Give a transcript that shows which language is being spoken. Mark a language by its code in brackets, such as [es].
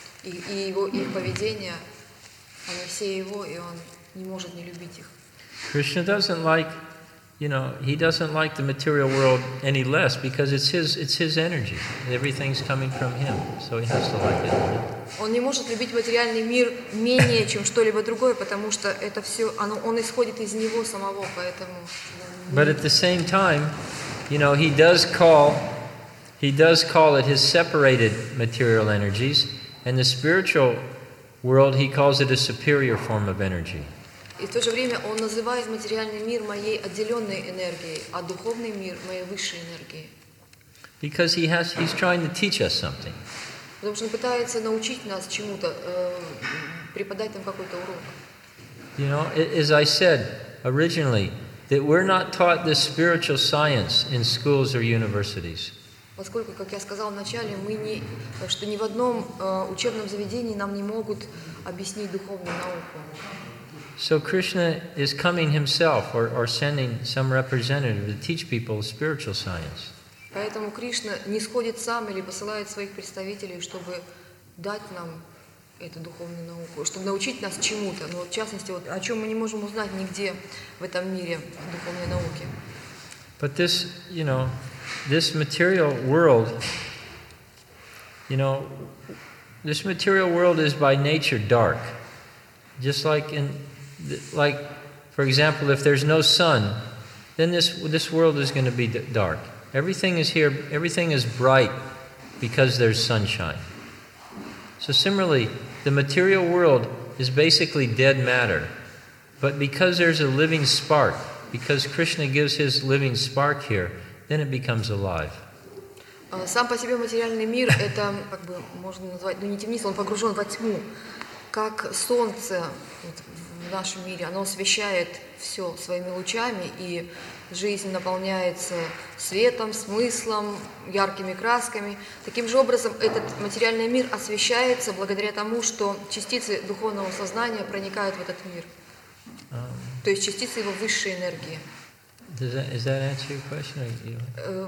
[ru] И его их поведение, оно все его, и он не может не любить их. [en] Krishna doesn't like, you know, he doesn't like the material world any less because it's his energy. Everything's coming from him, so he has to like it. [ru] Он не может любить материальный мир менее, чем что-либо другое, потому что это все, оно, он исходит из него самого, поэтому. [en] But at the same time, you know, he does call it his separated material energies, and the spiritual world he calls it a superior form of energy. [ru] И в то же время он называет материальный мир моей отделенной энергией, а духовный мир моей высшей энергией. [en] Because he has, he's trying to teach us something. [ru] Потому что он пытается научить нас чему-то, преподать нам какой-то урок. [en] You know, as I said originally, that we're not taught this spiritual science in schools or universities. [ru] Поскольку, как я сказал в начале, мы не, что ни в одном учебном заведении нам не могут объяснить духовную науку. [en] So Krishna is coming himself or sending some representative to teach people spiritual science. [ru] Поэтому Кришна не сходит сам или посылает своих представителей, чтобы дать нам эту духовную науку, чтобы научить нас чему-то, но в частности вот о чём мы не можем узнать нигде в этом мире духовной науки. [en] But this, you know, this material world, you know, this material world is by nature dark. Just like in like, for example, if there's no sun, then this world is going to be dark. Everything is here, everything is bright because there's sunshine. So similarly, the material world is basically dead matter. But because there's a living spark, because Krishna gives his living spark here, then it becomes alive. [ru] Сам по себе материальный мир, это как бы можно назвать, ну не темница, он погружен во тьму. Как солнце в нашем мире, оно освещает все своими лучами, и жизнь наполняется светом, смыслом, яркими красками. Таким же образом, этот материальный мир освещается благодаря тому, что частицы духовного сознания проникают в этот мир. То есть частицы его высшей энергии. [en] Does that answer your question?